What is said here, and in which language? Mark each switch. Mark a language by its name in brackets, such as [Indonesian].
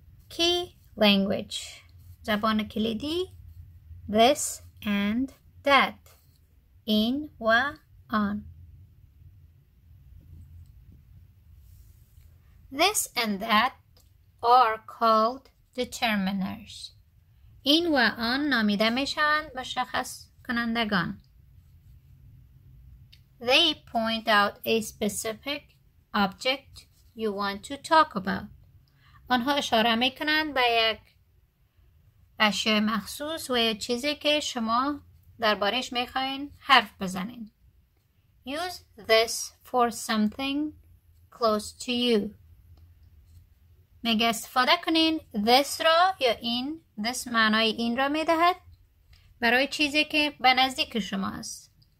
[English] Key language، [Persian] زبان کلیدی، [English] this and that، [Persian] این و آن. [English] This and that are called determiners. [Persian] این و آن نامیده میشوند مشخص کنندگان. [English] They point out a specific object you want to talk about. [Persian] آنها اشاره میکنند به یک اشیاء مخصوص و یک چیزی که شما دربارش میخواین حرف بزنین. [English] Use this for something close to you. [Persian] میگه استفاده کنین this را یا این. This معنای این را میدهد برای چیزی که به نزدیک شما است.